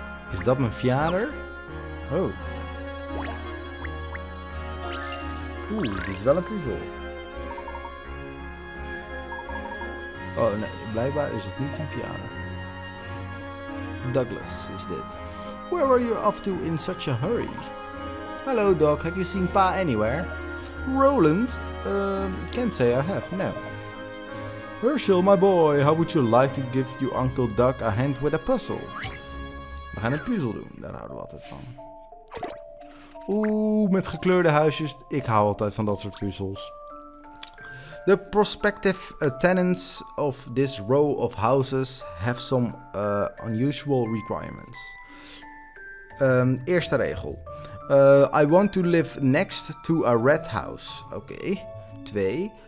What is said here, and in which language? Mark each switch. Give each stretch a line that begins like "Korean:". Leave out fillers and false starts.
Dutch: Is dat mijn vader? Oh. Dit is wel een puzzel. Oh nee, blijkbaar is het niet zijn vader. Douglas is dit.
English: Where are you off to in such a hurry? Hello, Doc. Have you seen Pa anywhere? Roland? Can't say I have, no. Herschel, my boy. How would you like to give you Uncle Doc a hand with a puzzle?
Dutch: We gaan een puzzel doen, daar houden we altijd van. Oeh, met gekleurde huisjes. Ik hou altijd van dat soort puzzels.
English: The prospective tenants of this row of houses have some unusual requirements.
Dutch: Eerste regel.
English: I want to live next to a red house.
Dutch: Oké. Twee.